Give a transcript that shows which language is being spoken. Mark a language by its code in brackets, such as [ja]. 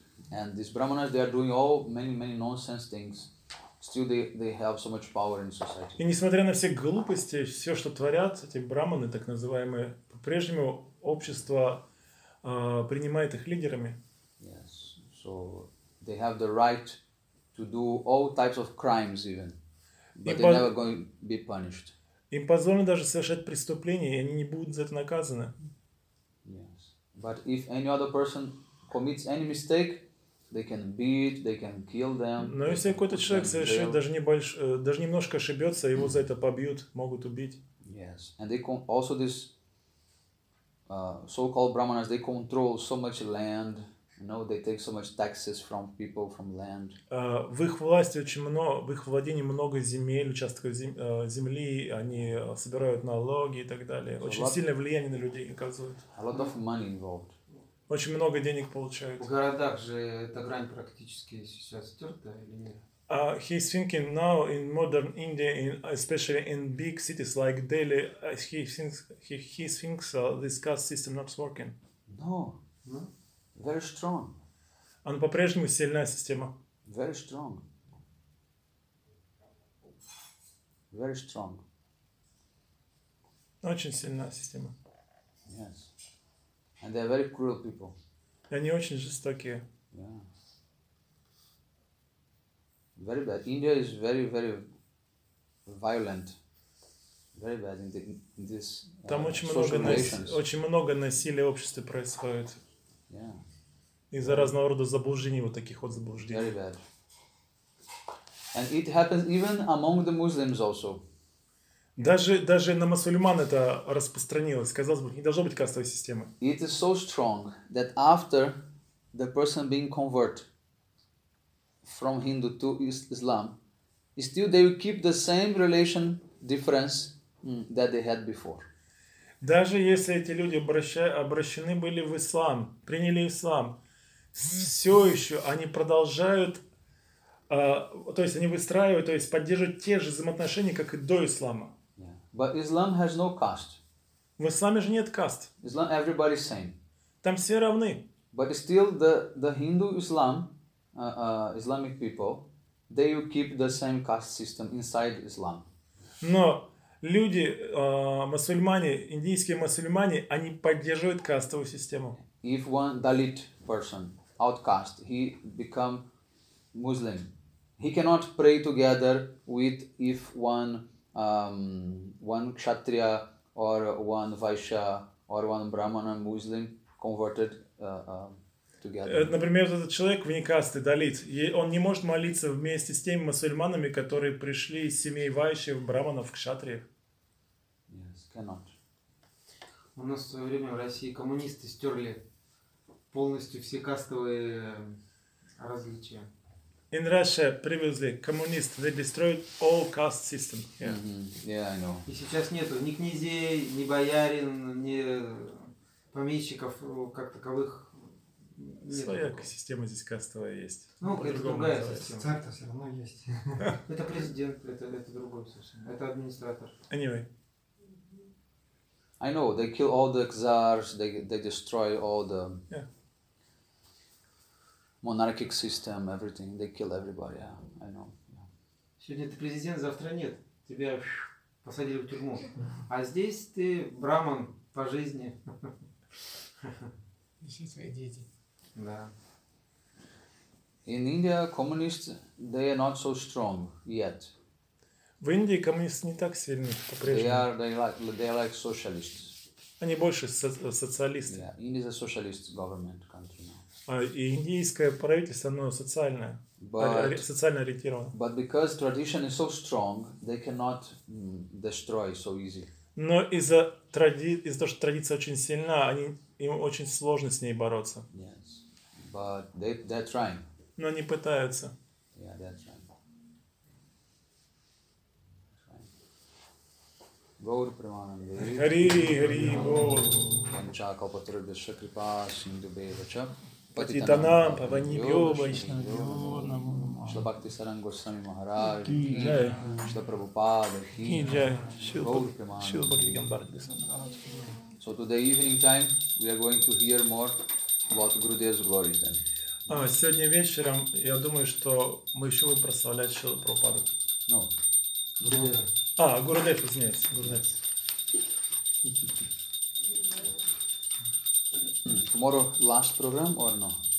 [en] And these brahmanas, they are doing all many, many nonsense things. Still, they have so much power in society. [ru] И несмотря на все глупости, все, что творят эти браманы, так называемые, по-прежнему общество принимает их лидерами. [en] Yes. So they have the right to do all types of crimes even, but they're never going to be punished. [ru] Им позволено даже совершать преступления, и они не будут за это наказаны. [en] Yes. But if any other person commits any mistake, they can beat, they can kill them. [ru] Но если какой-то человек совершает даже немножко ошибется, его за это побьют, могут убить. [en] Yes. And they also this so-called brahmanas, they control so much land. You know, they take so much taxes from people, from land. [ru] В их власти очень много, в их владении много земель, участков земли, они собирают налоги и так далее. Очень сильное влияние на людей оказывают. [en] A lot of money involved. [ru] Очень много денег получают. В городах же эта грань практически сейчас стерта или нет? [en] He's thinking now in modern India, in, especially in big cities like Delhi, he thinks this caste system not working. No. Very strong. [ru] Она по-прежнему сильная система. [en] Very strong. Very strong. [ru] Очень сильная система. [en] Yes. And they are very cruel people. [ru] И они очень жестокие. [en] Yeah. Very bad. India is very, very violent. Very bad in this. [ru] Там очень много очень много насилия в обществе происходит. [en] Yeah. [ru] Из-за разного рода заблуждений, вот таких вот заблуждений. [en] Very bad. And it happens even among the Muslims also. [ru] Даже на мусульман это распространилось. Казалось бы, не должно быть кастовой системы. [en] It is so strong that after the person being converted from Hindu to Islam, still they will keep the same relation difference that they had before. [ru] Даже если эти люди обращены были в ислам, приняли ислам, все еще они продолжают, то есть они выстраивают, то есть поддерживают те же взаимоотношения, как и до ислама. [en] Yeah. But Islam has no caste. [ru] В исламе же нет каст. [en] Islam, everybody same. [ru] Там все равны. [en] But still the Hindu Islam, Islamic people, they will keep the same caste system inside Islam. [ru] Но люди, мусульмане, индийские мусульмане, они поддерживают кастовую систему. [en] If one Dalit person, outcast, he become Muslim, he cannot pray together with if one one Kshatriya or one Vaishya or one Brahmana Muslim converted together. [ru] Например, этот человек вне касты, Далит, он не может молиться вместе с теми мусульманами, которые пришли из семей Вайши, Брахманов, Кшатрия. [en] Yes, cannot. [ru] У нас в свое время в России коммунисты стерли полностью все кастовые различия. [en] In Russia, previously, communists, they destroyed all caste system. Yeah. Mm-hmm. Yeah, I know. [ru] И сейчас нету ни князей, ни боярин, ни помещиков, как таковых. Своя система здесь кастовая есть. Ну, это другая система. Царь-то все равно есть. Это президент, это другой совершенно. Это администратор. [en] Anyway. I know, they kill all the czars, they destroy all the monarchic system, everything. They kill everybody, yeah, I know. Yeah. [ru] Сегодня ты президент, завтра нет. Тебя посадили в тюрьму. А здесь ты браман по жизни. Еще свои дети. Да. [en] In India, communists, they are not so strong yet. [ru] В Индии коммунисты не так сильны по-прежнему. [en] They are like socialists. [ru] Они больше социалисты. [en] Yeah, India is a socialist government country now. [ru] И индийское правительство, оно социальное, социально ориентировано. [en] But because tradition is so strong, they cannot destroy so easy. [ru] Но из-за того, что традиция очень сильна, им очень сложно с ней бороться. [en] Yes, but they're trying. [ru] Но они пытаются. [en] Yeah, they're trying. [sa] Гоур Примананда. Хари, Хари, Гоур. Панчакалпа Трудеша Крипаш, Индубейвача. Патитанам, Павани Бьобачна, Дионам. Шла Бхакти Саран Госвами Махарадж. Киджай. Шла Прабхупада. Киджай. Гоур Примананда. Шила Бхакти Гамбарди Саран. [en] So today evening time, we are going to hear more about Gurudev's glories then. [ru] Сегодня вечером, я думаю, что мы еще будем прославлять Шила Прабхупаду. [en] No. [ru] Гурудев, извиняюсь, Гурудев. [en] Tomorrow last program or no?